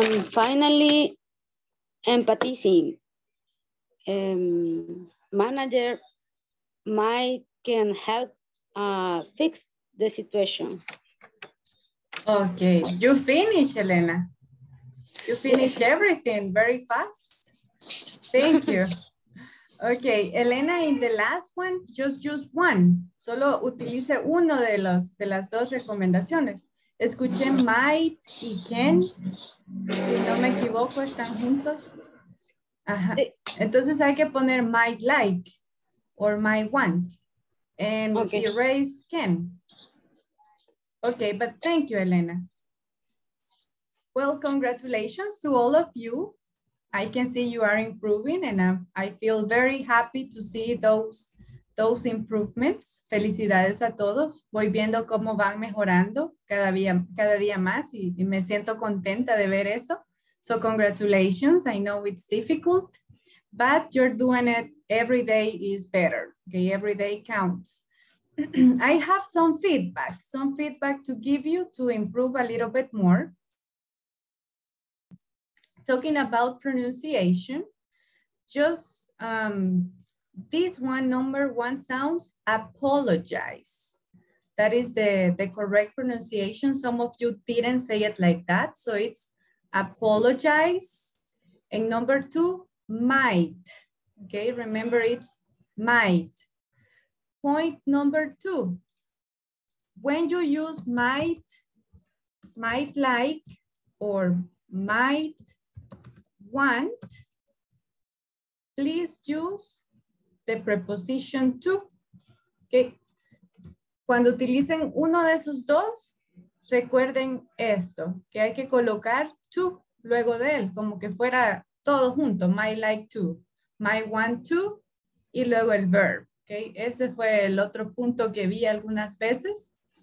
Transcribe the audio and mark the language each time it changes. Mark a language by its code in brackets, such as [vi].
[en] Finally, empathizing. Manager might can help fix the situation. Okay, you finish, Elena. You finish everything very fast. Thank you. Okay, Elena, in the last one, just use one. [es] Solo utilice uno de los de las dos recomendaciones. Escuché might y can. Si no me equivoco, están juntos. Ajá. Entonces hay que poner might like or might want. And okay. [en] Erase can. Okay, but thank you, Elena. Well, congratulations to all of you. I can see you are improving and I feel very happy to see those improvements. [es] Felicidades a todos. Voy viendo cómo van mejorando cada día más y me siento contenta de ver eso. [en] So congratulations, I know it's difficult, but you're doing it every day is better. Okay, every day counts. I have some feedback to give you to improve a little bit more. Talking about pronunciation, just this one, number one sounds apologize. That is the correct pronunciation. Some of you didn't say it like that. So it's apologize. And number two, might. Okay, remember it's might. Point number two, when you use might like, or might want, please use the preposition to. Okay. [es] Cuando utilicen uno de esos dos, recuerden esto, que hay que colocar to luego de él, como que fuera todo junto, might like to, might want to, y luego el verb. Okay, ese fue el otro punto que vi algunas veces.